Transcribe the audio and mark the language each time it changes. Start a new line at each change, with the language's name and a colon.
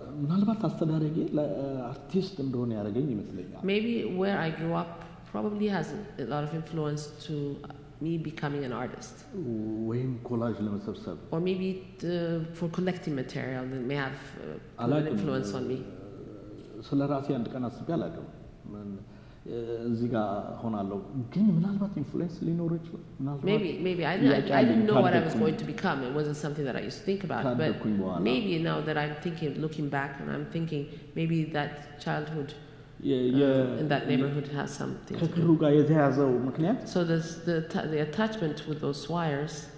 Amharic: ምናልባት አስተዳደጌ ለአርቲስት እንደሆነ ያደረገኝ ይመስለኛል
English: maybe where I grew up probably has a lot of influence to me becoming an artist
Amharic: ወይም ኮላጅ ለመሰብሰብ
English: or maybe for collecting material that may have an influence on me
Amharic: ስለ ራሴ አንድ ቀን አስቤ አላውቅም ምን እዚህ ጋር ሆናለሁ ግን ምናልባት ኢንፍሉዌንስ ሊኖር ይችላል
English: maybe I didn't know what I was going to become it wasn't something that I used to think about but maybe now that I'm thinking looking back and I'm thinking maybe that childhood in that neighborhood has something
Amharic: ከክሩ ጋር የተያዘው ምክንያት
English: so the attachment with those wires